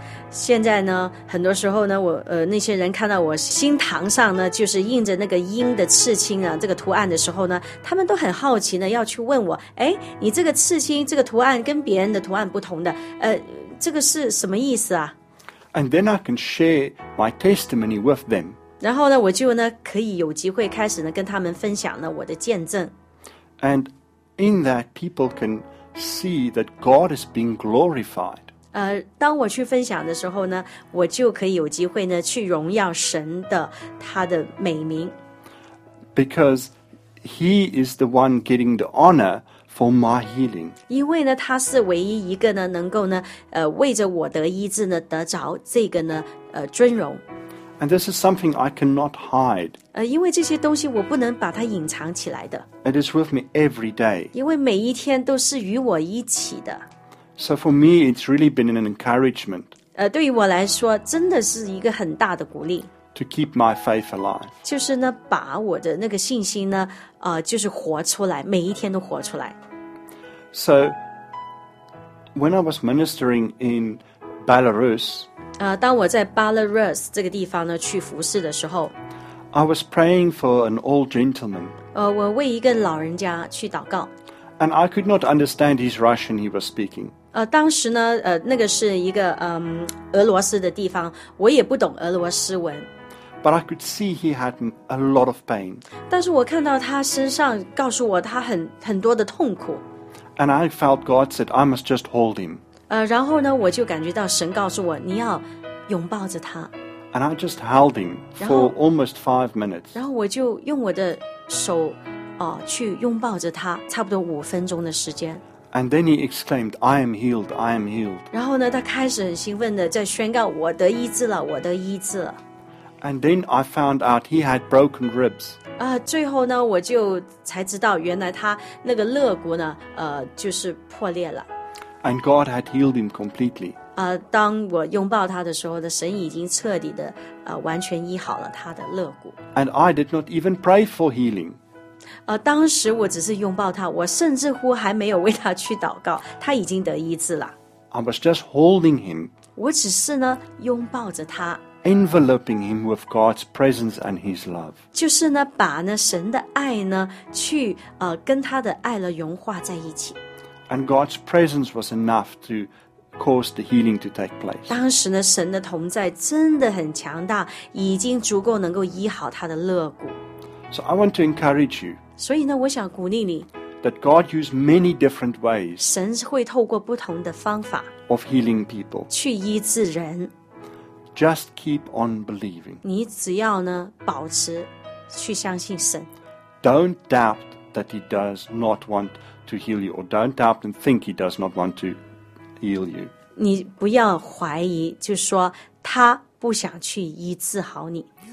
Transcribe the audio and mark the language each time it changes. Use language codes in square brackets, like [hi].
[zh] 现在呢，很多时候呢，我那些人看到我心膛上呢，就是印着那个鹰的刺青啊，这个图案的时候呢，他们都很好奇呢，要去问我，哎，你这个刺青这个图案跟别人的图案不同的，这个是什么意思啊？ [en] And then I can share my testimony with them. [zh] 然后呢，我就呢可以有机会开始呢跟他们分享呢我的见证。 [en] And in that, people can see that God is being glorified. [zh] 当我去分享的时候呢，我就可以有机会呢去荣耀神的他的美名。 [en] Because he is the one getting the honor for my healing. [zh] 因为呢，他是唯一一个呢能够呢为着我得医治呢得着这个呢尊荣。 [en] And this is something I cannot hide. [zh] 因为这些东西我不能把它隐藏起来的。 [en] It is with me every day. [zh] 因为每一天都是与我一起的。 [en] So for me, it's really been an encouragement. [zh] 对于我来说，真的是一个很大的鼓励。 [en] To keep my faith alive. [zh] 就是呢，把我的那个信心呢，就是活出来，每一天都活出来。 [en] So, when I was ministering in Belarus, [zh] 当我在 Belarus 这个地方呢去服事的时候 [en] ，I was praying for an old gentleman. [zh] 我为一个老人家去祷告。 [en] And I could not understand his Russian he was speaking. [zh] 当时呢，那个是一个俄罗斯的地方，我也不懂俄罗斯文。 [en] But I could see he had a lot of pain. [zh] 但是我看到他身上告诉我他很多的痛苦。 [en] And I felt God said I must just hold him. [zh] 然后呢，我就感觉到神告诉我你要拥抱着他。 [en] And I just held him for almost 5 minutes. [zh] 然后我就用我的手。去拥抱着他差不多5分钟的时间。 [en] And then he exclaimed, I am healed, I am healed. [zh] 然后呢他开始很兴奋地在宣告我得医治了我得医治了。 [en] And then I found out he had broken ribs. [zh] 最后呢我就才知道原来他那个肋骨呢就是破裂了。 [en] And God had healed him completely. [zh] 当我拥抱他的时候呢神已经彻底地完全医好了他的肋骨。 [en] And I did not even pray for healing. [zh] 当时我只是拥抱他，我甚至乎还没有为他去祷告，他已经得医治了。 [en] I was just holding him. [zh] 我只是呢拥抱着他 [en] ，enveloping him with God's presence and His love. [zh] 就是呢把呢神的爱呢去跟他的爱了融化在一起。 [en] And God's presence was enough to cause the healing to take place. [zh] 当时呢神的同在真的很强大，已经足够能够医好他的肋骨。 [en] So I want to encourage you. [zh] 所以呢，我想鼓励你。 [en] That God used many different ways. [zh] 神会透过不同的方法。 [en] Of healing people. [zh] 去医治人。 [en] Just keep on believing. [zh] 你只要呢，保持去相信神。 [en] Don't doubt that He does not want to heal you, or don't doubt and think He does not want to heal you. [zh] 你不要怀疑，就说他不想去医治好你。